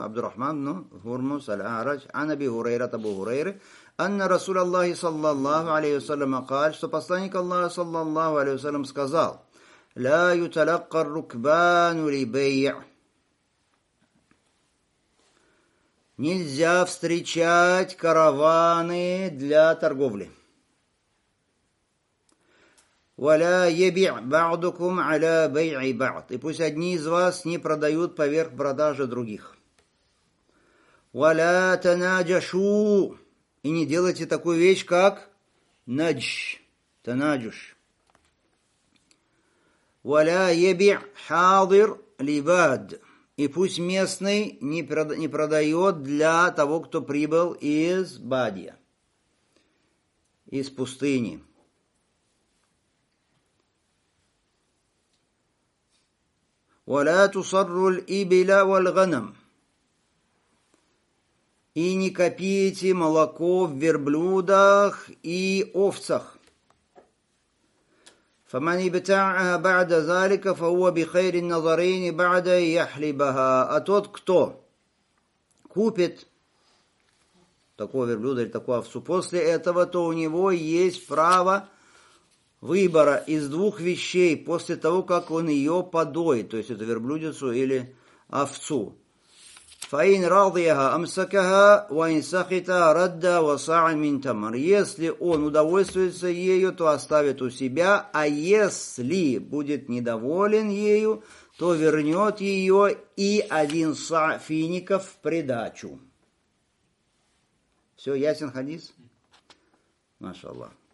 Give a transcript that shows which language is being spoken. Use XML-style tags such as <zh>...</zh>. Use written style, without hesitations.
<ru>Абдурахман ибн Хурмус, аль-Арач, ан Аби Хурайра, Абу Хурайры,</ru> <ar>анна Расул Аллахи, саллаллаху алейхи ва саллям, каль,</ar> <ru>что посланник Аллаха, саллаллаху алейхи ва саллям, сказал,</ru> <ar>لا يتلقى الركبان لبيع.</ar> <ru>Нельзя встречать караваны для торговли.</ru> <ar>ولا يبيع بعضكم على بيع بعض.</ar> <ru>И пусть одни из вас не продают поверх продажи других.</ru> <ar>ولا تناجشوا.</ar> <ru>И не делайте такую вещь, как наджш.</ru> <ar>Танаджуш. ولا يبيع حاضر لباد.</ar> <ru>И пусть местный не продает для того, кто прибыл из Бадия, из пустыни.</ru> <ar>ولا تصر الإبل والغنم.</ar> <ru>И не копите молоко в верблюдах и овцах.</ru> <ar>فمن يبتاعها بعد ذلك فهو بخير النظرين بعد يحلبها.</ar> <ru>А тот, кто купит такого верблюда или такую овцу после этого, то у него есть право выбора из двух вещей после того, как он ее подоит, то есть эту верблюдицу или овцу.</ru> <ar>فإن راضيها أمسكها وإن سخطا ردا وصاع من تمر.</ar> <ru>Если он удовольствуется ею, то оставит у себя, а если будет недоволен ею, то вернет ее и один са фиников в придачу. Все ясен хадис? Машаллах.</ru>